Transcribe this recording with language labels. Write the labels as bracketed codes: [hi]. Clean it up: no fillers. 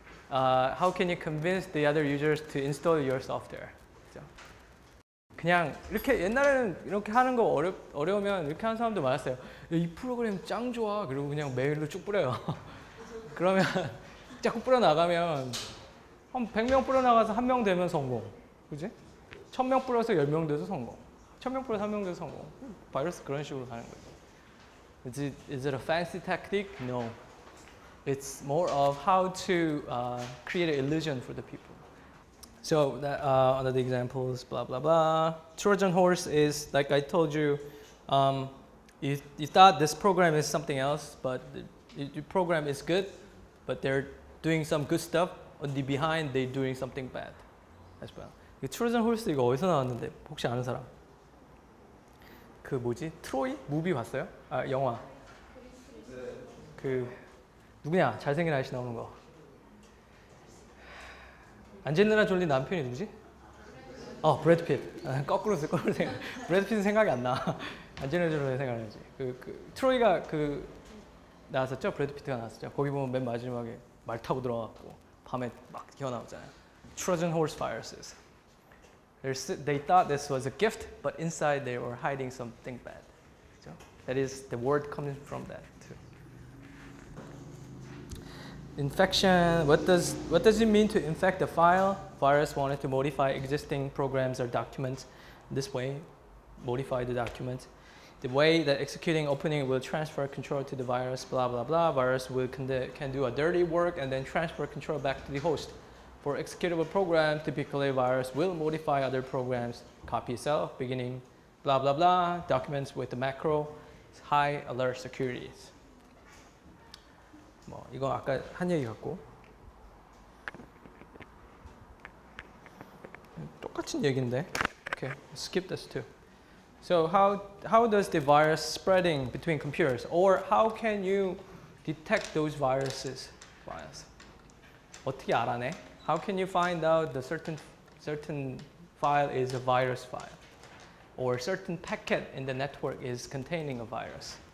[en] How can you convince the other users to install your software? [ko] 그냥 이렇게 옛날에는 이렇게 하는 거 어려우면 이렇게 하는 사람도 많았어요. 야, 이 프로그램 짱 좋아. 그리고 그냥 메일로 쭉 뿌려요. 그러면 자꾸 뿌려 나가면 한 100명 뿌려 나가서 한 명 되면 성공. 그지? 1,000명 뿌려서 10명 돼도 성공. 1,000명 뿌려서 한 명 돼도 성공. 바이러스 그런 식으로 가는 거죠. [en] Is it a fancy tactic? No. It's more of how to create an illusion for the people. So that, under the examples, blah, blah, blah. Trojan horse is, like I told you, you thought this program is something else, but the program is good, but they're doing some good stuff. On the behind, they're doing something bad as well. [ko] 이 트로전 호스 이거 어디서 나왔는데 혹시 아는 사람? 그 뭐지? 트로이? 무비 봤어요? 아, 영화. 그 누구냐? 잘생긴 아저씨 나오는 거. 안젤리나 졸리 남편이 누구지? 브래드 핏. 거꾸로 생각. 브래드 핏은 생각이 안 나. 안젤리나 졸리 생각나지. 그 트로이가 그 나왔었죠? 브래드 핏이 나왔었죠? 거기 보면 맨 마지막에 말 타고 들어가고 밤에 막 기어나오잖아요. [en] Trojan horse viruses. They thought this was a gift, but inside they were hiding something bad. So that is the word coming from that too. Infection. What does it mean to infect a file? Virus wanted to modify existing programs or documents. This way, modify the documents. the way that executing opening will transfer control to the virus, blah blah blah. Virus will can do a dirty work and then transfer control back to the host. For executable program, typically virus will modify other programs, copy itself, beginning, blah blah blah, documents with the macro, high alert securities. [ko] 뭐 이거 아까 한 얘기 같고 똑같은 얘긴데. [en] Okay, skip this too. So how does the virus spreading between computers, or how can you detect those viruses? [ko] Virus. 어떻게 알아내? [en] How can you find out the certain file is a virus file, or certain packet in the network is containing a virus?